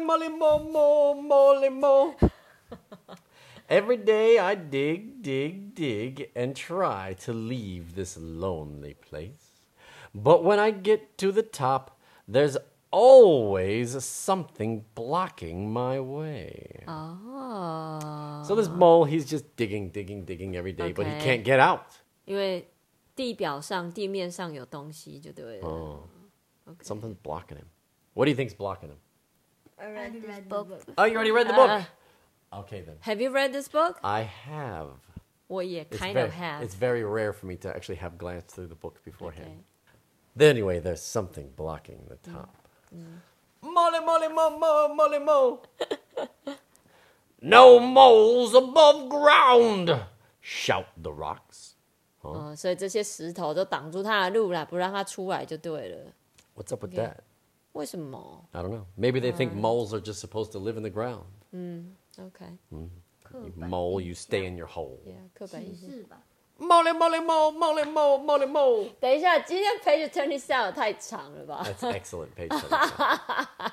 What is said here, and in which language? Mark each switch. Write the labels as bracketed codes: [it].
[en] molly mo mo Molly mo Every day I dig And try to leave this lonely place But when I get to the top There's always something blocking my way. Oh. So this mole, he's just digging every day,、 but he can't get out. [zh] 因为地面上有东西就对了。 [en] Oh. Okay. Something's blocking him. What do you think's blocking him? I read the book. Oh, you already read the book? Okay, then. Have you read this book? I have. [zh] 我也 [en] kind of have. It's very rare for me to actually have glanced through the book beforehand.、Okay. Anyway, there's something blocking the top.、Molly, molly, mo, mo, molly, mo. No moles above ground, shout the rocks. [zh] 哦，所以这些石头都挡住他的路了，不让他出来就对了。 [en] What's up with that? [zh] 为什么？ [en] I don't know. Maybe they think moles are just supposed to live in the ground. 嗯 ，OK。嗯 ，You mole, you stay in your hole. [zh] Yeah, 刻板印象。 [en] Mole mole mole mole mole mole mole. [zh] 等一下，今天 [en] page turn it out [zh] 太长了吧 [en] ？That's excellent page turn.